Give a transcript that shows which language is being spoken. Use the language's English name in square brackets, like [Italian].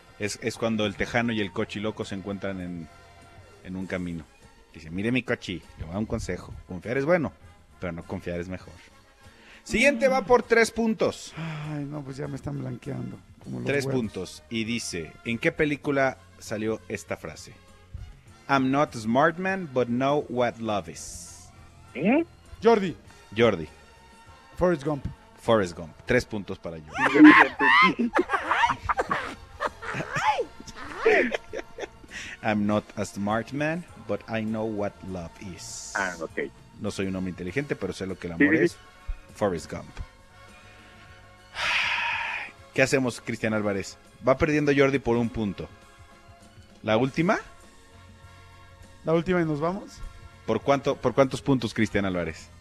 [Spanish] Es cuando el tejano y el coche loco se encuentran en un camino. Dice, mire mi cachi, le voy a dar un consejo. Confiar es bueno, pero no confiar es mejor. Siguiente va por 3 puntos. Ay, no, pues ya me están blanqueando. Como los 3 puntos. Y dice, ¿en qué película salió esta frase? [English] I'm not a smart man, but know what love is. [Spanish] Jordi. Jordi. Forrest Gump. Forrest Gump. 3 puntos para Jordi. [English] I'm not a smart man, but I know what love is. [Spanish] Ah, ok. No soy un hombre inteligente, pero sé lo que el amor es. Forrest Gump. ¿Qué hacemos, Cristian Álvarez? Va perdiendo Jordi por 1 punto. ¿La última? ¿La última y nos vamos? ¿Por cuántos puntos, Cristian Álvarez?